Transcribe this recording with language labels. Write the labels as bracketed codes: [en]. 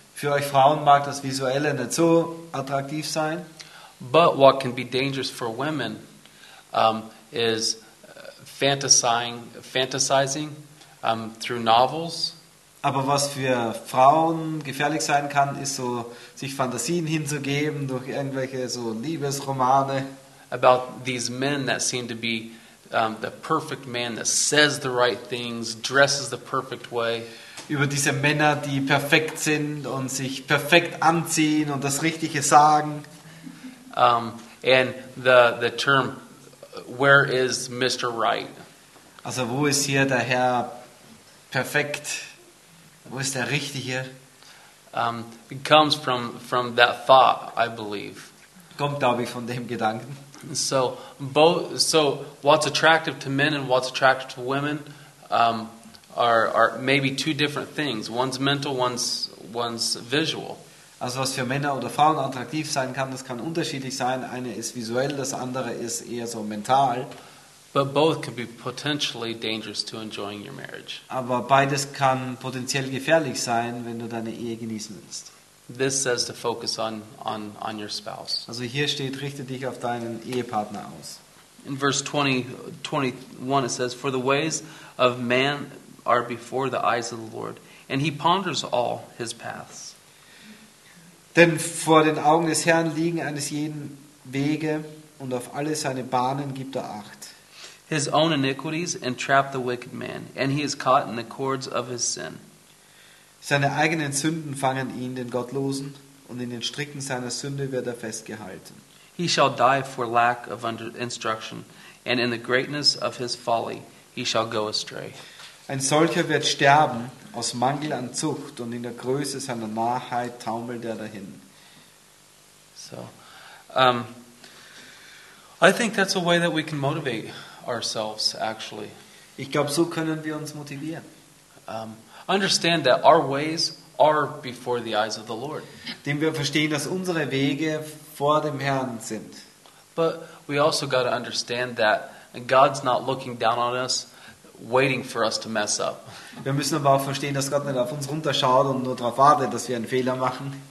[de] Für euch Frauen mag das Visuelle nicht so attraktiv sein. [en] But what can be dangerous for women is fantasizing through novels. [de] Aber was für Frauen gefährlich sein kann, ist so sich Fantasien hinzugeben durch irgendwelche so Liebesromane. [en] About these men that seem to be the perfect man that says the right things, dresses the perfect way. [de] Über diese Männer, die perfekt sind und sich perfekt anziehen und das Richtige sagen. [en] And the term, where is Mr. Right? [de] Also wo ist hier der Herr perfekt? Wo ist der Richtige? [en] It comes from that thought, I believe. [de] Kommt, glaube ich, von dem Gedanken. [en] So what's attractive to men and what's attractive to women are maybe two different things. One's mental, one's visual. [de] Also was für Männer oder Frauen attraktiv sein kann, das kann unterschiedlich sein. Eine ist visuell, das andere ist eher so mental. [en] But both can be potentially dangerous to enjoying your marriage. [de] Aber beides kann potenziell gefährlich sein, wenn du deine Ehe genießen willst. [en] This says to focus on your spouse. [de] Also hier steht, richte dich auf deinen Ehepartner aus. [en] In verse 20:21 it says, for the ways of man are before the eyes of the Lord, and he ponders all his paths. [de] Denn vor den Augen des Herrn liegen eines jeden Wege und auf alle seine Bahnen gibt er Acht. [en] His own iniquities entrap the wicked man, and he is caught in the cords of his sin. [de] Seine eigenen Sünden fangen ihn, den Gottlosen, und in den Stricken seiner Sünde wird er festgehalten. [en] He shall die for lack of instruction, and in the greatness of his folly he shall go astray. [de] Ein solcher wird sterben aus Mangel an Zucht, und in der Größe seiner Narrheit taumelt er dahin. [en] So, I think that's a way that we can motivate ourselves, actually. [de] Ich glaube, so können wir uns motivieren. [en] Understand that our ways are before the eyes of the Lord. [de] Denn wir verstehen, dass unsere Wege vor dem Herrn sind. [en] But we also got to understand that God's not looking down on us, waiting for us to mess up. [de] Wir müssen aber auch verstehen, dass Gott nicht auf uns runterschaut und nur darauf wartet, dass wir einen Fehler machen.